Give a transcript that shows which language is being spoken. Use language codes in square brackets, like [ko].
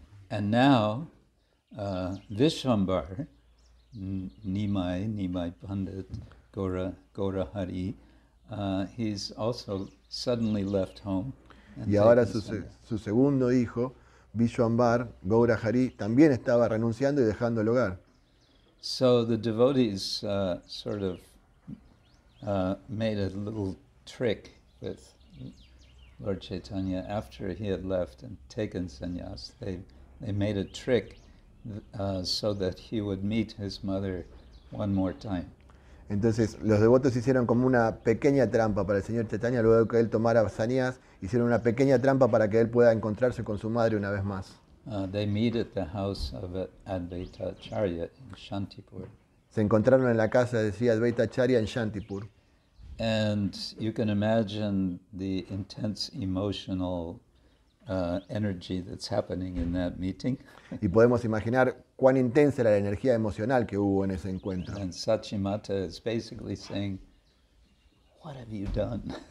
[en] And now, Vishvambar, Nimai Pandit Gaurahari, he's also suddenly left home. [es] Y ahora su segundo hijo, Vishwambar Gaurahari, también estaba renunciando y dejando el hogar. [en] So the devotees sort of made a little trick with Lord Chaitanya after he had left and taken sannyas. They made a trick so that he would meet his mother one more time. [es] Entonces los devotos hicieron como una pequeña trampa para el señor Chaitanya luego que él tomara sannyas, hicieron una pequeña trampa para que él pueda encontrarse con su madre una vez más. [en] They meet at the house of Advaita Acharya in Shantipur. [es] Se encontraron en la casa de Sri Advaita Acharya en Shantipur. [en] And you can imagine the intense emotional energy that's happening in that meeting. [es] Y podemos imaginar cuán intensa era la energía emocional que hubo en ese encuentro. [en] And Sachimata is basically saying, "What have you done?"